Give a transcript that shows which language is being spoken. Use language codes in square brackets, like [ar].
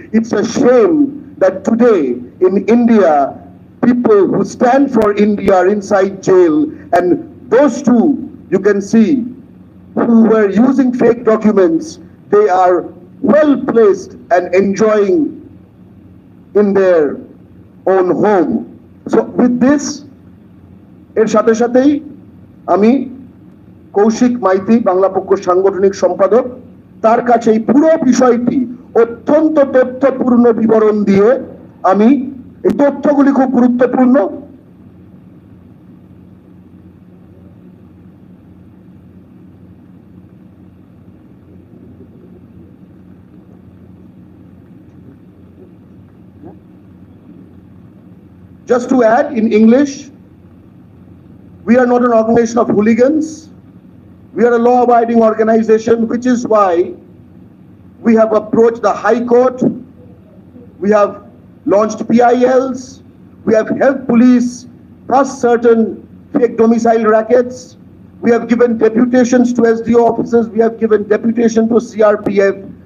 [en] It's a shame that today in India, people who stand for India are inside jail, and those two, you can see, who were using fake documents, they are well placed and enjoying in their own home. So with this, [bn] এর সাথে সাথেই আমি কৌশিক মাইতি, বাংলা পক্ষ সাংগঠনিক সম্পাদক, তার কাছে এই পুরো বিষয়টি অত্যন্ত তথ্যপূর্ণ বিবরণ দিয়ে আমি এই তথ্যগুলি খুব গুরুত্বপূর্ণ [en] Just to add, in English, we are not an organization of hooligans. We are a law-abiding organization, which is why we have approached the High Court. We have launched PILs. We have helped police pass certain fake domicile rackets. We have given deputations to SDO officers. We have given deputation to CRPF.